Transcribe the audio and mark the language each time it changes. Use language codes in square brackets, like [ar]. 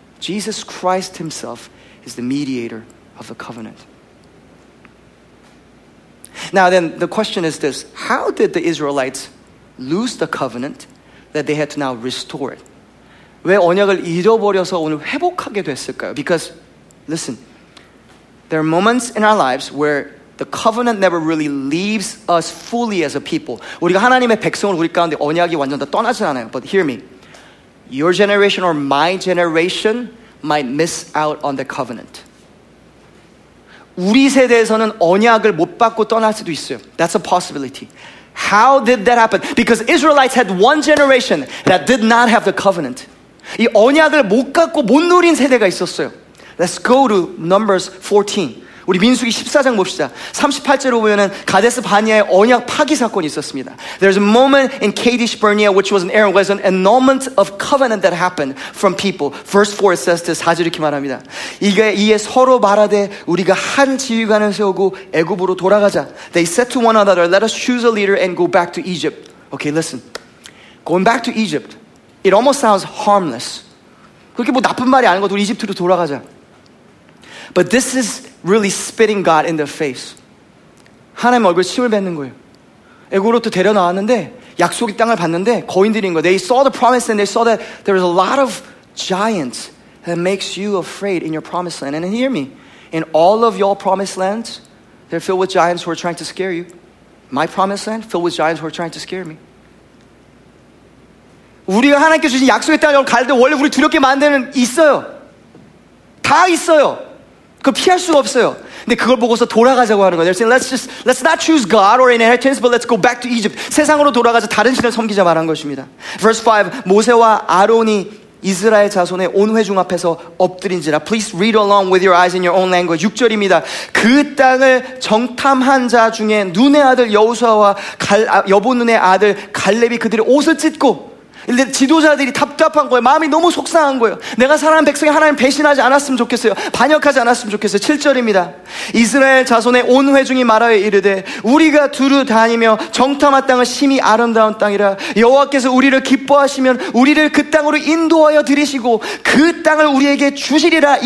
[en] Jesus Christ himself is the mediator of the covenant. Now then, the question is this. How did the Israelites lose the covenant that they had to now restore it? [ko] 왜 언약을 잃어버려서 오늘 회복하게 됐을까요? [en] Because, listen, there are moments in our lives where the covenant never really leaves us fully as a people. [ko] 우리가 하나님의 백성을 우리 가운데 언약이 완전 다 떠나진 않아요. [en] But hear me. Your generation or my generation might miss out on the covenant. [ko] 우리 세대에서는 언약을 못 받고 떠날 수도 있어요. [en] That's a possibility. How did that happen? Because Israelites had one generation that did not have the covenant. [ko] 이 언약을 못 갖고 못 누린 세대가 있었어요. [en] Let's go to Numbers 14. [ko] 우리 민수기 14장 봅시다. 38절로 보면은 가데스 바니아의 언약 파기 사건이 있었습니다. [en] There's a moment in Kadesh Barnea which was an error. It was an annulment of covenant that happened from people. Verse 4 it says this. [ko] 4절 이렇게 말합니다. 이에 서로 말하되 우리가 한 지휘관을 세우고 애굽으로 돌아가자. [en] They said to one another, let us choose a leader and go back to Egypt. Okay, listen. Going back to Egypt, it almost sounds harmless. [ko] 그렇게 뭐 나쁜 말이 아닌 것 같아. 이집트로 돌아가자. [en] But this is really spitting God in the face. [ko] 하나님 얼굴에 침을 뱉는 거예요. 애굽으로 데려 나왔는데 약속의 땅을 봤는데 거인들인 거예요. [en] They saw the promise and they saw that there is a lot of giants that makes you afraid in your promised land. And hear me. In all of your promised lands, they're filled with giants who are trying to scare you. My promised land, filled with giants who are trying to scare me. [ko] 우리가 하나님께 주신 약속의 땅을 갈 때 원래 우리 두렵게 만드는 있어요. 다 있어요. 그 피할 수가 없어요. 근데 그걸 보고서 돌아가자고 하는 거예요. [en] They're saying, let's not choose God or inheritance, but let's go back to Egypt. [ko] 세상으로 돌아가서 다른 신을 섬기자 말한 것입니다. Verse 5, 모세와 아론이 이스라엘 자손의 온 회중 앞에서 엎드린지라. [en] Please read along with your eyes in your own language. [ko] 6절입니다. 그 땅을 정탐한 자 중에 눈의 아들 여호수아와 여본눈의 아들 갈렙이 그들의 옷을 찢고 지도자들이 답답한 거예요. 마음이 너무 속상한 거예요. 내가 사랑하는 백성이 하나님 배신하지 않았으면 좋겠어요. 반역하지 않았으면 좋겠어요. 7절입니다. 이스라엘 자손의 온 회중이 말하여 이르되 우리가 두루 다니며 정탐한 땅은 심히 아름다운 땅이라 여호와께서 우리를 기뻐하시면 우리를 그 땅으로 인도하여 들이시고 그 땅을 우리에게 주시리라.